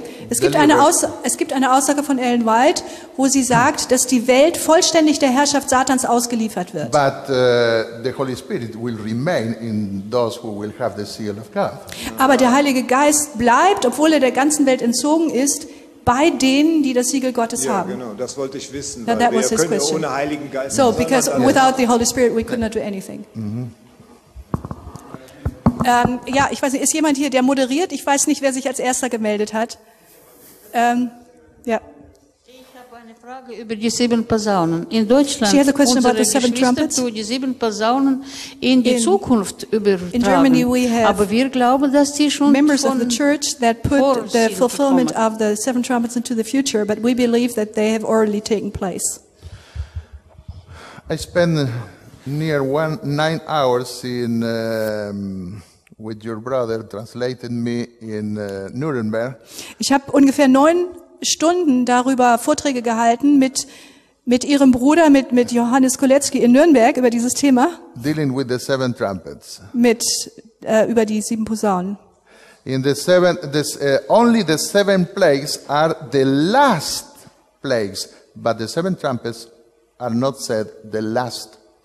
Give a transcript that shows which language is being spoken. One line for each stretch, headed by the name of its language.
German: Es gibt eine Aussage von Ellen White, wo sie sagt, dass die Welt vollständig der Herrschaft Satans ausgeliefert wird.
English: But the Holy Spirit will remain in those who will have the seal of God.
German: Aber der Heilige Geist bleibt, obwohl er der ganzen Welt entzogen ist, bei denen, die das Siegel Gottes haben. Ja, genau, das wollte ich wissen, weil wir können question. Ohne Heiligen Geist.
English: So, because without the Holy Spirit we could not do anything. Mm-hmm.
German: Ja, ich weiß nicht, ist jemand hier, der moderiert? Ich weiß nicht, wer sich als Erster gemeldet hat. Ja. Ich habe eine Frage über die sieben Posaunen. In Deutschland,
English: she has a question about the seven trumpets.
German: Unsere Geschwister, die sieben Posaunen in die Zukunft übertragen.
English: In Germany we have
German: aber wir glauben, dass die schon
English: members of the church that put the fulfillment of the seven trumpets into the future, but we believe that they have already taken place. I spend near 9 hours in with your brother translating me in Nuremberg.
German: Ich habe ungefähr 9 Stunden darüber Vorträge gehalten mit ihrem Bruder mit Johannes Kolecki in Nürnberg über dieses Thema.
English: Dealing with the seven trumpets.
German: Über die sieben Posaunen.
English: In the seven, this only the seven plagues are the last plagues, but the seven trumpets are not said the last.